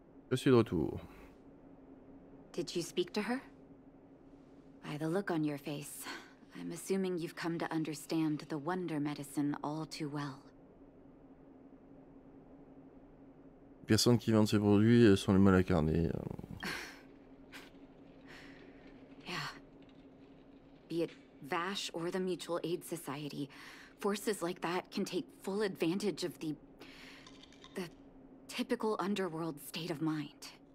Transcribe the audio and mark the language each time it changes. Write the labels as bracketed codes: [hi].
[fr] Je suis de retour. [en] Did you speak to her? By the look on your face, I'm assuming you've come to understand the wonder medicine all too well. [fr] Les personnes qui vendent ces produits sont les mal incarnées. [en] Yeah. Be it Vash or the Mutual Aid Society, forces like that can take full advantage of the typical underworld state of mind.